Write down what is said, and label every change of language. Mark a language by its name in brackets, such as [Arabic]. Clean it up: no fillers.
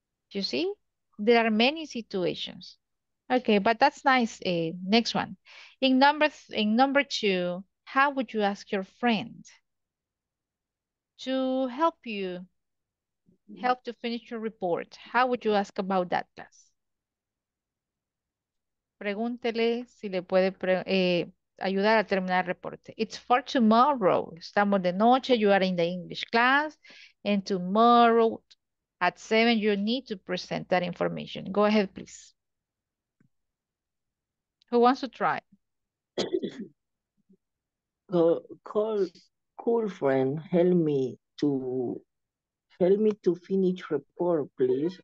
[English] You see? There are many situations. Okay, but that's nice. Next one. In number two, how would you ask your friend to help you, help to finish your report? How would you ask about that, class? [Spanish] Pregúntele si le puede ayudar a terminar el reporte. [English] It's for tomorrow. [Spanish] Estamos de noche. [English] You are in the English class. And tomorrow, At 7, you need to present that information. Go ahead, please. Who wants to try? Cool friend, help me to finish report, please.